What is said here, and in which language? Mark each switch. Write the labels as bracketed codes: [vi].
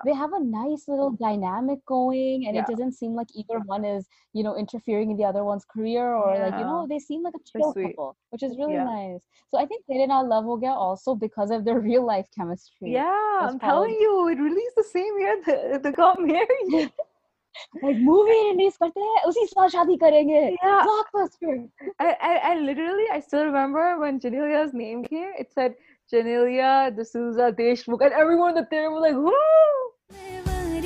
[en] they have a nice little dynamic going, and it doesn't seem like either one is, you know, interfering in the other one's career or like, you know, they seem like a chill couple, which is really nice. So I think they're in our love again also because of their real life chemistry. Telling you, it released the same year that they got married. [hi] Like, movie release करते है, उसी साल शादी करेंगे. [en] Yeah. Blockbuster. I still remember when Janelia's name came, it said Janelia D'Souza Deshmukh, and everyone at the theater was like, whoo!